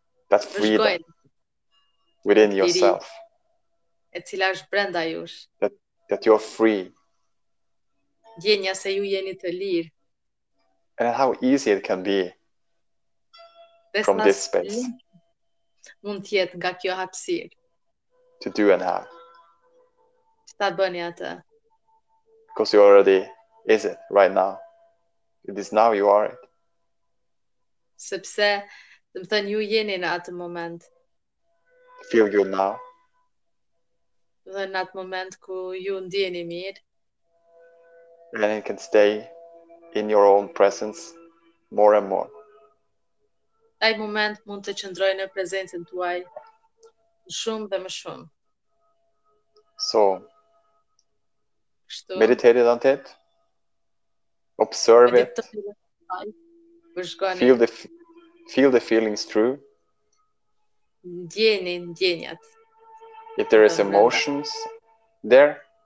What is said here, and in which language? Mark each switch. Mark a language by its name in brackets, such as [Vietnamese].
[English] That freedom within yourself. [Albanian] E cila është brenda jush. [English] That you're free. [Albanian] Djenja se ju jeni të lirë. [English] And how easy it can be from this space. [Albanian] Mund të jetë nga kjo hapësirë. [English] To do and have. [Albanian] Që ta bëni atë. [English] Because you already is it right now. It is now you are it. [Albanian] Sepse, dhe më thënë, ju jeni në atë moment. [English] Feel you now. [Albanian] Dhe në atë moment ku ju ndjeni mirë. [English] And it can stay in your own presence more and more. [Albanian] Ai moment mund të qëndroj në prezencën tuaj shumë dhe më shumë. [English] So, meditate on it, observe it, feel the feelings through. [Albanian] Ndjeni, ndjenjat. [English] If there is emotions there,